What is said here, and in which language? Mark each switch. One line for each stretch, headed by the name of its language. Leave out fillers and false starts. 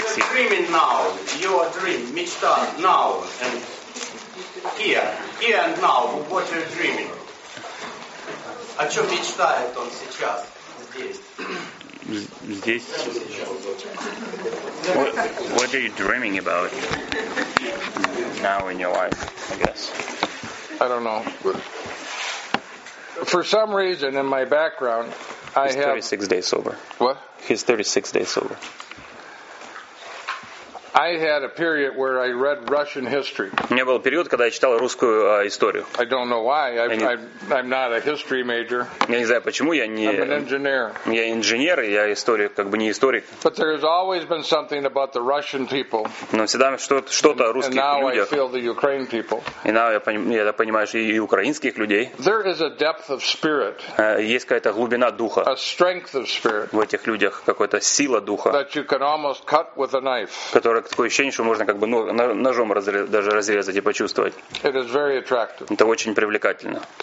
English: Dreaming now, your dream, мечта now and here and now, what you're dreaming.
Russian: О чем мечтает он сейчас здесь?
English: What are you dreaming about now in your life? I guess. I don't know. For some reason, in my background, He's I have. He's 36 days sober. What? He's 36 days sober. I had a period where I read Russian history.
Russian: У меня был период, когда я читал русскую историю.
English: I don't know why. I'm not a history major.
Russian: Я не знаю, почему я не.
English: I'm an engineer.
Russian: Я инженер, я историк, как бы не историк.
English: But there has always been something about the Russian people.
Russian: Но всегда что-то о русских людях.
English: And now I feel the Ukraine people.
Russian: И now я понимаю, что и украинских людей.
English: There is a depth of spirit.
Russian: Есть какая-то глубина духа.
English: A strength of spirit.
Russian: В этих людях какая-то сила духа.
English: That you can almost cut with a knife.
Russian: Такое ощущение, что можно как бы ножом даже разрезать и почувствовать. Это очень привлекательно.